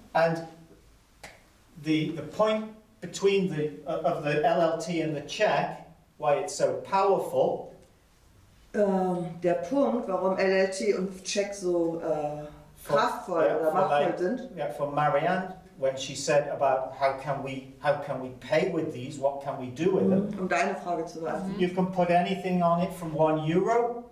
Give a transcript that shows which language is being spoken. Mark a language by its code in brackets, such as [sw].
[en] And the point between the of the LLT and the check, why it's so powerful. [de] Der Punkt, warum LLT und Check so kraftvoll oder machtvoll sind. [en] Yeah, for Marianne. When she said about how can we pay with these, what can we do with them? [de] Um deine Frage zu werfen. Mm-hmm. [en] You can put anything on it from 1 euro.